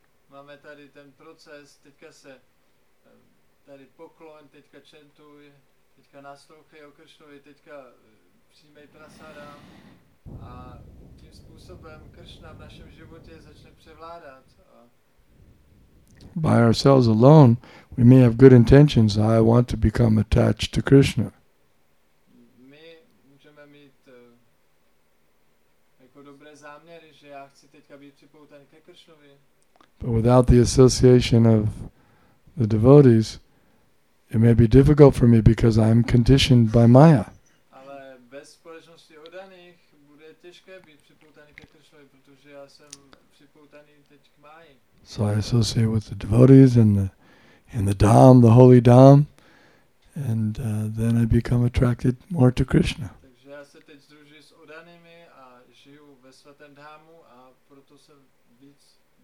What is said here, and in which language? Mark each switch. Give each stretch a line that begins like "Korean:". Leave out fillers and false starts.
Czech: Máme tady ten proces, teďka se tady poklon, teďka čentuj, teďka naslouchej o Krishnovi, teďka přijmej prasada a tím způsobem Krishna v našem životě začne převládat.
English: By ourselves alone, we may have good intentions, I want to become attached to Krishna.
Czech: My můžeme mít jako dobré záměry, že já chci teďka být připoutaný ke Krishnovi.
English: But without the association of the devotees, it may be difficult for me because I'm conditioned by Maya.
Czech: Ale bez společnosti odaných bude těžké být připoutaný ke Krishnovi, protože já jsem připoutaný teď k Máji.
English: So I associate with the devotees and the Dham, the holy Dham, and then I become attracted more to Krishna.
Czech: Takže já se teď združuji s odanými a žiju ve svatém dhámu a proto jsem víc.